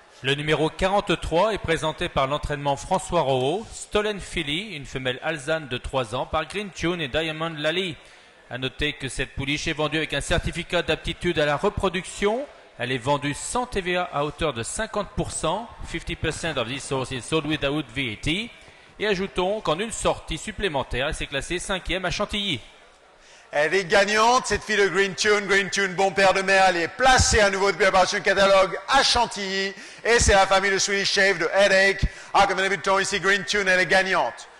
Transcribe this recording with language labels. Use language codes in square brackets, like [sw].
[fr] Le numéro 43 est présenté par l'entraînement François Rohaud, Stolen Philly, une femelle alsane de 3 ans, par Green Tune et Diamond Lally. A noter que cette pouliche est vendue avec un certificat d'aptitude à la reproduction. Elle est vendue sans TVA à hauteur de 50%. [en] 50% of this horse is sold without VAT. [fr] Et ajoutons qu'en une sortie supplémentaire, elle s'est classée 5e à Chantilly. Elle est gagnante, cette fille de Green Tune. Green Tune, bon père de mère. Elle est placée à nouveau depuis la parution du catalogue à Chantilly. Et c'est la famille de Swedish Shave, de Headache. Ah, comme d'habitude, on ici Green Tune, elle est gagnante.